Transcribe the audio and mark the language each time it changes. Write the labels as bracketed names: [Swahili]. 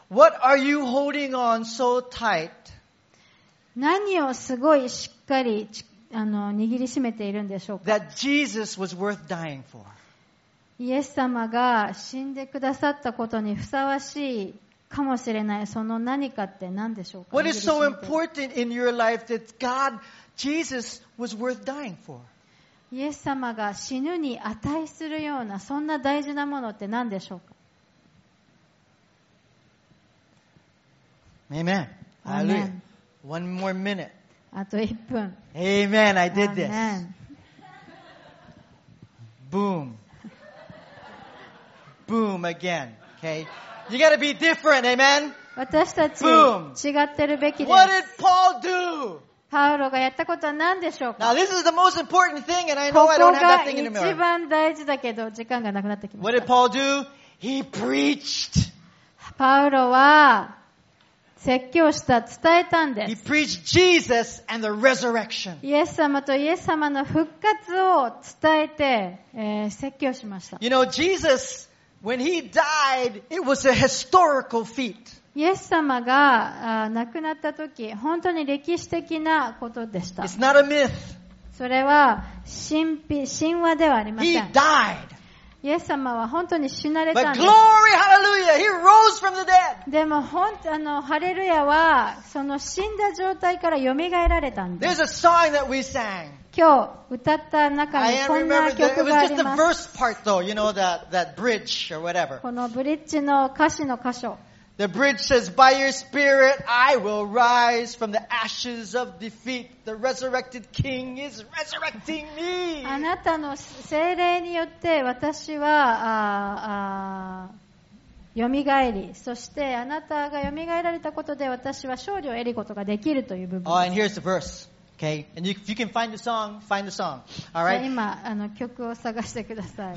[English] What are you holding on so tight? [Japanese] 何をすごいしっかり握りしめているんでしょうか。 [English] That Jesus was worth dying for. [Japanese] イエス様が死んでくださったことにふさわしいかもしれないその何かって何でしょうか? [English] What is so important in your life that God, Jesus was worth dying for? [Japanese] イエス様が死ぬに値するようなそんな大事なものって何でしょうか? [English] Amen. Hallelujah. One more minute. [Japanese] あと1分。 [English] Amen. I did this. Boom. Boom again. Okay. You gotta be different, amen? [Japanese] 私たち Boom. 違ってるべきです。 [English] What did Paul do? [Japanese] パウロがやったことは何でしょうか? [English] Now this is the most important thing and I know I don't have that thing anymore. [Japanese] ここが一番大事だけど時間がなくなってきました。 [English] What did Paul do? He preached. [Japanese] パウロは説教した、伝えたんです。 [English] He preached Jesus and the resurrection. [Japanese] イエス様とイエス様の復活を伝えて、説教しました。 [English] You know, Jesus,When he died, it was a historical feat. [Japanese] イエス様が亡くなった時、本当に歴史的なことでした。 [English] It's not a myth. [Japanese] それは神話ではありません。 [English] He died. [Japanese] イエス様は本当に死なれたんです。 [English] But glory, hallelujah, he rose from the dead. [Japanese] でも本当ハレルヤはその死んだ状態から蘇られたんです。 [English] There's a song that we sang. [Japanese] 今日歌った中にこんな曲があります。 [English] It was just the verse part though, you know, that bridge or whatever. [Japanese] このブリッジの歌詞の箇所。 [English] The bridge says, by your spirit, I will rise from the ashes of defeat. The resurrected king is resurrecting me. [Japanese] あなたの聖霊によって私は、蘇り、そしてあなたが蘇られたことで私は勝利を得ることができるという部分です。 [English] Oh, and here's the verse. Okay, and if you can find the song. All right. [Japanese] 今曲を探してください。